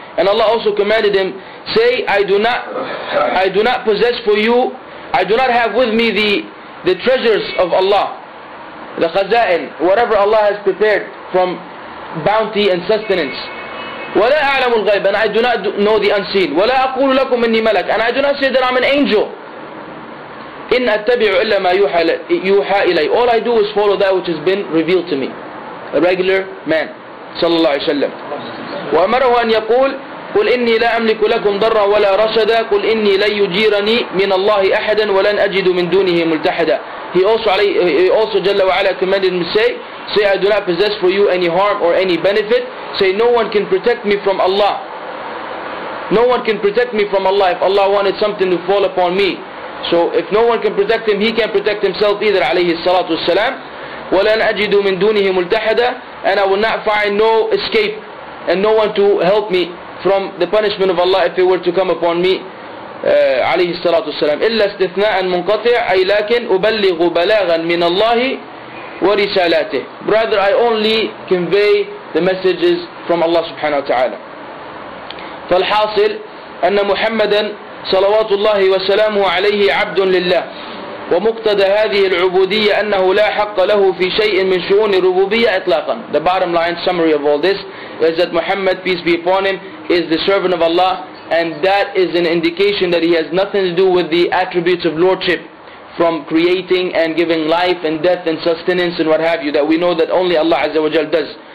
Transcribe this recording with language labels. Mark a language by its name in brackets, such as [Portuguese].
[English] And Allah also commanded him, say, I do not possess for you, I do not have with me the treasures of Allah, the khaza'in, whatever Allah has prepared from bounty and sustenance. [Arabic] وَلَا أَعْلَمُ الْغَيْبَ. [English] And I do not know the unseen. [Arabic] وَلَا أَقُولُ لَكُمْ إِنِّي مَلَكُ. [English] And I do not say that I'm an angel. [Arabic] إِنْ أَتَّبِعُ إِلَّا مَا يُوحَى إِلَيْهِ. [English] All I do is follow that which has been revealed to me. A regular man, صلى الله عليه وسلم. [Arabic] وَأَمَرَهُ أَنْ يَقُولُ قُلْ إِنِّي لَا أَمْلِكُ لَكُمْ ضَرًّا وَلَا رَشَدًا قُلْ إِنِّي لَنْ يُجِيرَنِي مِنَ اللَّهِ أَحَدًا وَلَنْ أَجِدُ مِنْ دُونِهِ مُلْتَحَدًا. [English] He also Jalla wa'ala commanded me, say, I do not possess for you any harm or any benefit. Say, no one can protect me from Allah. No one can protect me from Allah. If Allah wanted something to fall upon me, so if no one can protect him, he can't protect himself either, alayhi salatu wassalam. [Arabic] وَلَنْ أَجِدُ مِنْ دُونِهِ مُلْتَحَدًا. [English] And I will not find no escape and no one to help me from the punishment of Allah if it were to come upon me, عليه الصلاة والسلام. [Arabic] إلا استثناء منقطع أي لكن أبلغ بلاغا من الله ورسالاته. [English] Rather, I only convey the messages from Allah سبحانه وتعالى. [Arabic] فالحاصل أن محمدا صلوات الله وسلامه عليه عبد لله ومقتدى هذه العبودية أنه لا حق له في شيء من شؤون الربوبية إطلاقا. [English] The bottom line summary of all this is that Muhammad, peace be upon him, is the servant of Allah, and that is an indication that he has nothing to do with the attributes of lordship, from creating and giving life and death and sustenance and what have you, that we know that only Allah Azza wa Jal does.